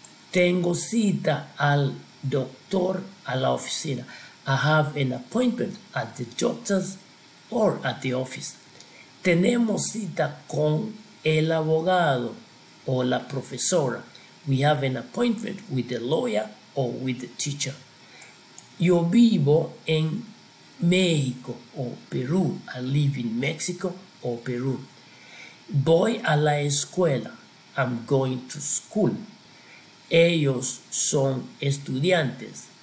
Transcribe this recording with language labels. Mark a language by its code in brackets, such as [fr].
[es] Tengo cita al doctor a la oficina. [en] I have an appointment at the doctor's or at the office. [es] Tenemos cita con el abogado o la profesora. [en] We have an appointment with the lawyer or with the teacher. [es] Yo vivo en México o Perú. [en] I live in Mexico or Peru. [es] Voy a la escuela. [en] I'm going to school. [es] Ellos son estudiantes.